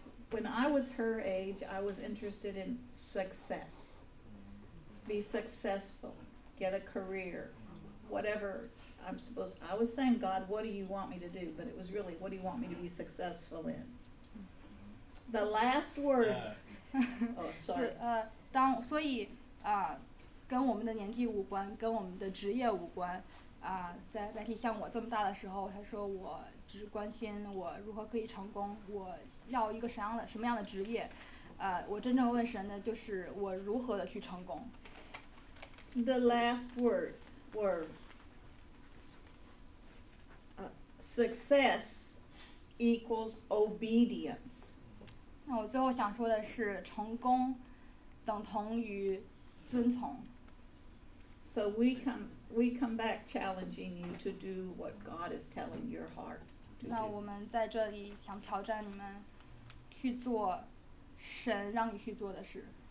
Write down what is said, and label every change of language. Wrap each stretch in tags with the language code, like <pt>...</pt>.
<en>When I was her age, I was interested in success. Be successful, get a career, whatever I'm supposed to. I was saying, God, what do you want me to do? But it was really, what do you want me to be successful in? The last words. Oh, sorry.</en> <zh>所以跟我们的年纪无关，跟我们的职业无关。在麦蒂像我这么大的时候，他说我只关心我如何可以成功，我要一个什么样的职业。我真正问神的就是我如何的去成功。</zh> <en>The last words were success equals obedience.</en> <zh>那我最后想说的是，成功等同于遵从。</zh> <en>So we come back challenging you to do what God is telling your heart.</en> <zh>那我们在这里想挑战你们去做神让你去做的事。</zh>